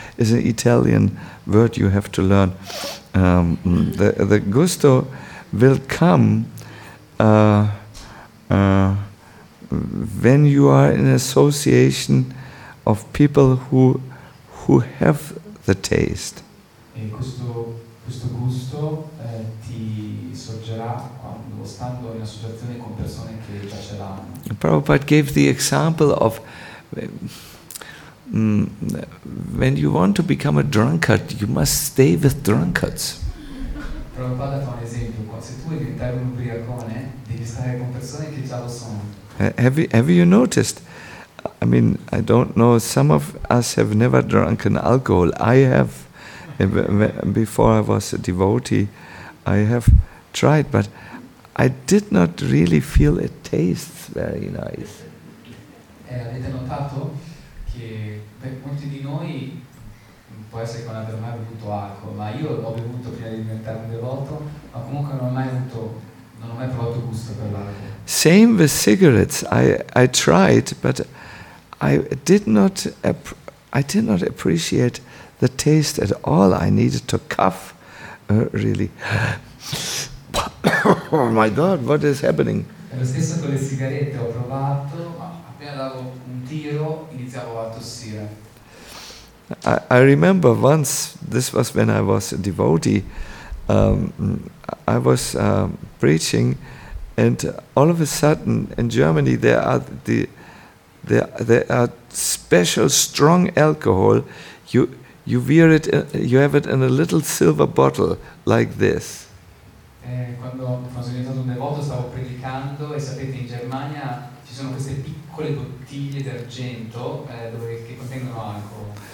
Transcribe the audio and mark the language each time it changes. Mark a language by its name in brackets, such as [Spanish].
[English] Is an Italian word you have to learn. The gusto will come when you are in association of people who have the taste. [Italian] Questo gusto ti sorgerà quando stando in associazione con persone che già ce l'hanno. [English] Prabhupada gave the example of when you want to become a drunkard, you must stay with drunkards. [Italian] Prabhupada fa un esempio: se tu vuoi diventare un ubriacone, devi stare con persone che già lo sono. [English] Have you noticed? I mean, I don't know. Some of us have never drunk an alcohol. I have. Before I was a devotee, I have tried, but I did not really feel it tastes very nice. [Italian] Avete notato che per molti di noi può essere che non abbiano mai bevuto alcol, ma io l'ho bevuto prima di diventare un devoto, ma comunque non ho mai provato gusto per l'alcol. [English] Same with cigarettes. I tried, but I did not appreciate the taste at all. I needed to cough, really. Oh my God, what is happening? [Italian] Lo stesso con le sigarette, ho provato, ma appena davo un tiro iniziavo a tossire. [English] I remember once this was when I was a devotee. I was preaching, and all of a sudden in Germany there are special strong alcohol. You wear it, you have it in a little silver bottle like this. [Italian] Quando sono diventato un devoto stavo predicando e sapete in Germania ci sono queste piccole bottiglie d'argento che contengono alcol.